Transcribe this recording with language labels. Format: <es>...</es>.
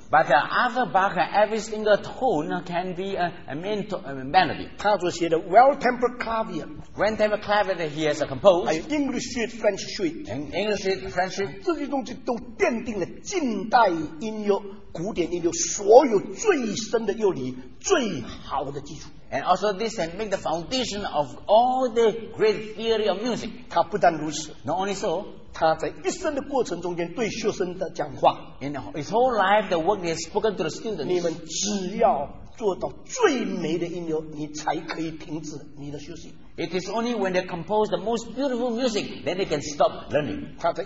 <en>But after Bach every single tone can be a main melody</en> <zh>他所写的 Well-tempered clavier</zh> <en>Well-tempered clavier that he has composed</en> <zh>还有 English suite French suite</zh> <en>And English suite French suite</en> <zh>这些东西都奠定了近代音乐古典音乐所有最深的乐理最好的基础</zh> <en>And also this can make the foundation of all the great theory of music</en> <zh>他不但如此</zh> <en>Not only so</en> <zh>他在一生的过程中间对学生的讲话</zh> <en>In his whole life, the work he has spoken to the students</en> <zh>你们只要做到最美的音乐，你才可以停止你的休息</zh> <en>It is only when they compose the most beautiful music then they can stop learning</en>